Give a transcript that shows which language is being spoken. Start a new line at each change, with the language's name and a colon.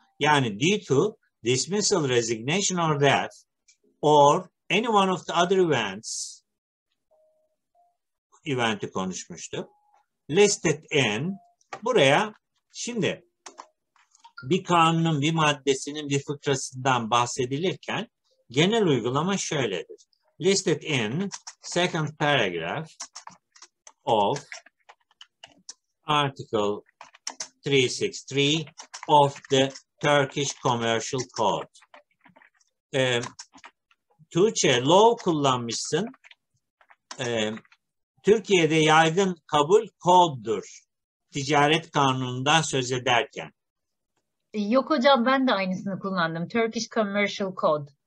Turkish: Yani
English: due to dismissal, resignation or death or any one of the other events,
Turkish: event'i konuşmuştuk.
English: Listed in,
Turkish: buraya şimdi bir kanunun, bir maddesinin bir fıkrasından bahsedilirken genel uygulama şöyledir.
English: Listed in second paragraph of article 363 of the Turkish Commercial Code.
Turkish: Tuğçe, law kullanmışsın. Türkiye'de yaygın kabul koddur. Ticaret kanunundan söz ederken. Yok hocam, ben de aynısını kullandım.
English: Turkish Commercial Code.